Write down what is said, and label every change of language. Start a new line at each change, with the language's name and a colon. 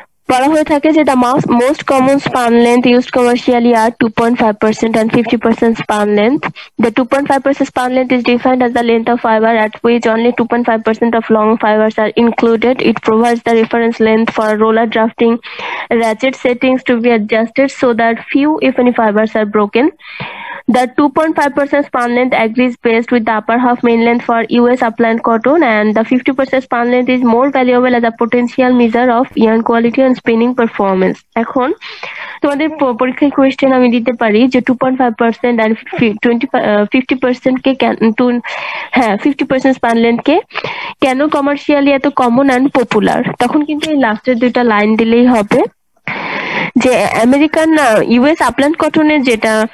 Bangla: বলা হয়ে থাকে যে
English: The most common span length used commercially are 2.5% and 50% span length. The 2.5% span length is defined as the length of fiber at which only 2.5% of long fibers are included. It provides the reference length for roller drafting ratchet settings to be adjusted so that few if any fibers are broken. The 2.5% span length agrees best with the upper half main length for US upland cotton, and the 50% span length is more valuable as a potential measure of yarn quality and spinning performance.
Bangla: এখন তোমাদের পরীক্ষায় question আমি দিতে পারি যে 2.5% and 50% কে কেন, হ্যাঁ 50% span length কে কেন commercially এত
English: common and popular,
Bangla: তখন কিন্তু এই লাস্টের দুইটা লাইন দিলেই হবে যে আমেরিকান ইউএস আপল্যান্ড কটনের যেটা